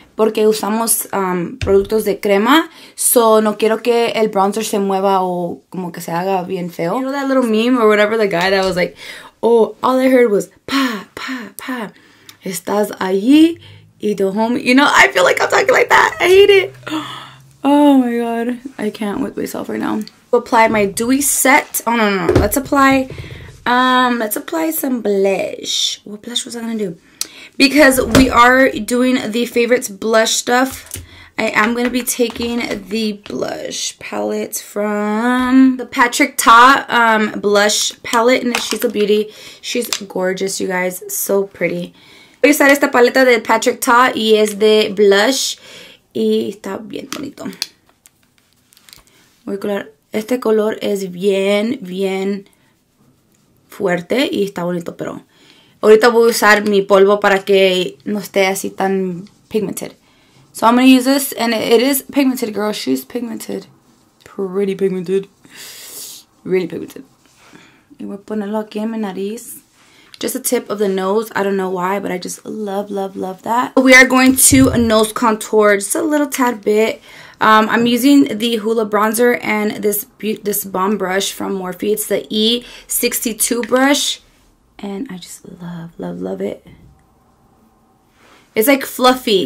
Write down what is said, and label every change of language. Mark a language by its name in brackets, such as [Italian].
[Spanish] Porque usamos productos de crema, so no quiero que el bronzer se mueva o como que se haga bien feo. [English] You know that little meme or whatever, the guy that was like, oh, all I heard was, pa, pa, pa, [Spanish] estás allí y tu home. [English] You know, I feel like I'm talking like that. I hate it. Oh my God. I can't with myself right now. Apply my dewy set. Oh, no, no, no. Let's apply some blush. What blush was I going to do? Because we are doing the favorites blush stuff, I am going to be taking the blush palette from the Patrick Ta blush palette. And she's a beauty. She's gorgeous, you guys. So pretty. [Spanish] Voy a usar esta paleta de Patrick Ta y es de blush. Y está bien bonito. Voy a colar. Este color es bien, bien fuerte y está bonito, pero... Ahorita voy a usar mi polvo para que no esté así tan pigmented. [English] So I'm going to use this. And it is pigmented, girl. She's pigmented. Pretty pigmented. Really pigmented. [Spanish] Y voy a ponerlo aquí en mi nariz. [English] Just a tip of the nose. I don't know why, but I just love, love, love that. We are going to nose contour just a little tad bit. I'm using the Hoola bronzer and this bomb brush from Morphe. It's the E62 brush. And I just love, love, love it. It's like fluffy.